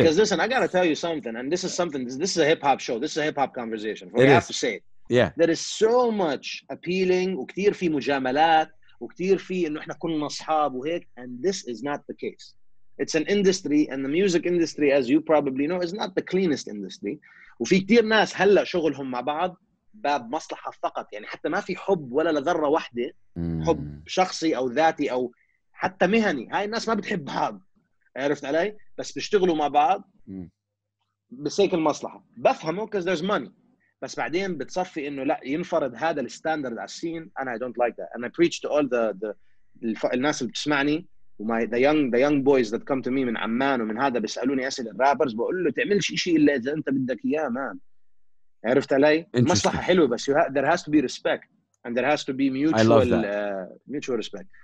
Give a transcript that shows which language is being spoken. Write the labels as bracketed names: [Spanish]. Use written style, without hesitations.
[English] Because listen, I gotta tell you something, and this is something. This is a hip hop show. This is a hip hop conversation. We have to say it. Yeah. There is so much appealing. [Arabic] وكتير في مجاملات وكتير في إنه إحنا كلنا أصحاب وهيك. [English] And this is not the case. It's an industry, and the music industry, as you probably know, is not the cleanest industry. [Arabic] وفي كتير ناس هلا شغلهم مع بعض باب مصلحة فقط. يعني حتى ما في حب ولا لذرة واحدة. حب شخصي أو ذاتي أو حتى مهني. هاي الناس ما بتحب بعض. عرفت علي بس بيشتغلوا مع بعض بسيك المصلحة بفهمه [English] because there's money [Arabic] بس بعدين بتصفي انه لا ينفرض هذا الستاندرد على السين انا [English] I don't like that and I preach to all [Arabic] the الناس اللي بتسمعني وماي [English] the young boys that come to me [Arabic] من عمان ومن هذا بيسألوني اسئلة الرابرز بقول له تعملش اشي الا اذا انت بدك اياه مان عرفت علي مصلحة حلوة بس [English] there has to be respect and there has to be mutual respect